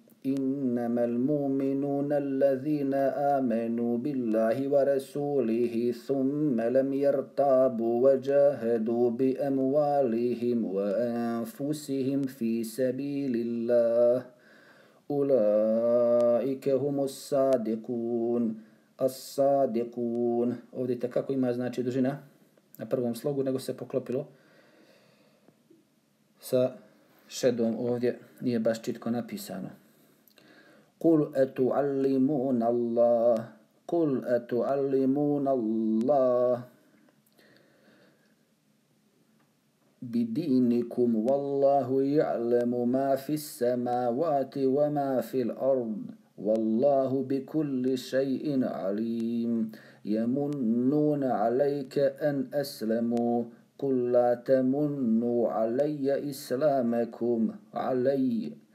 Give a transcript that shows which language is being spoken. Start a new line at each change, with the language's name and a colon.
Arabic: إنما المؤمنون الذين آمنوا بالله ورسوله ثم لم يرتابوا وجاهدوا بأموالهم وأنفسهم في سبيل الله أولئك هم الصادقون الصادقون.
Bosnian: Ovdje kako ima znači dužina na prvom slogu, nego se poklopilo sa šedom, ovdje nije baš čitko napisano.
Arabic: قل أتعلمون الله قل أتعلمون الله بدينكم والله يعلم ما في السماوات وما في الأرض والله بكل شيء عليم يمنون عليك أن أسلموا قل لا تمنوا علي إسلامكم علي